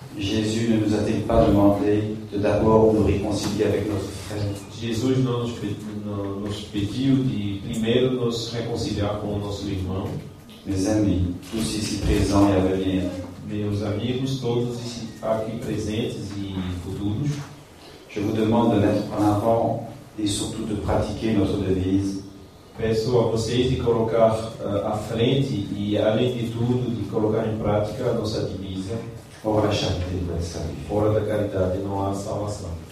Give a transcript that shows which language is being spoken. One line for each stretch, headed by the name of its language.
French: Jésus ne nous a-t-il pas demandé de d'abord nous réconcilier avec notre frère?
Portuguese: Jesus não nos pediu de primeiro nos reconciliar com o nosso irmão?
French: Mes amis, tous ici présents et à venir.
Portuguese: Meus amigos, todos aqui presentes e futuros.
French: Je vous demande de mettre en avant et surtout de pratiquer notre devise.
Portuguese: Peço a vocês de colocar à frente e, além de tudo, de colocar em prática a nossa divisa. Fora da charité, não há salvação. Fora da caridade, não há salvação.